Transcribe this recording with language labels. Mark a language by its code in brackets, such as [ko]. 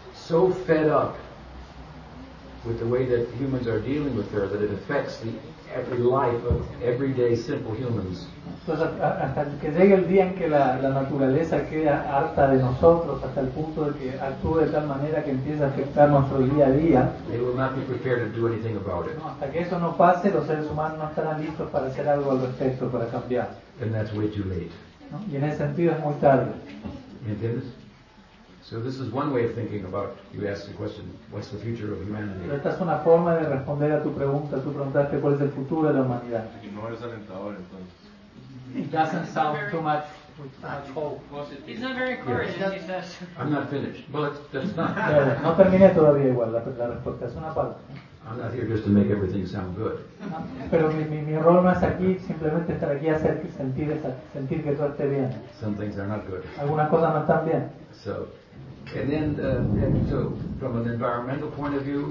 [en] so fed up with the way that humans are dealing with her that it affects the every life of everyday simple humans. [es] Entonces, hasta que llegue el día en que la naturaleza queda harta de nosotros hasta el punto de que actúe de tal manera que empiece a afectar nuestro día a día, [en] they will not be prepared to do anything about it. [es] No, hasta que eso no pase, los seres humanos no estarán listos para hacer algo al respecto, para cambiar. [en] And that's way too late. [es] ¿No? Y en ese sentido es muy tarde. ¿Entiendes? [en] So this is one way of thinking about, you asked the question, what's the future of humanity? [es] Pero esta es una forma de responder a tu pregunta. Tú preguntaste cuál es el futuro de la humanidad. Y no eres alentador, entonces. [en] It doesn't sound too much with hope. He's not very encouraging, yes. He says. I'm not finished. Well, that's not. [es] No terminé todavía igual la respuesta. Es una parte. [en] I'm not here just to make everything sound good. [es] Pero mi rol no es aquí, simplemente estar aquí a hacer sentir que todo esté bien. [en] Some things are not good. [es] Algunas cosas no están bien. [en] So, and then, so from an environmental point of view,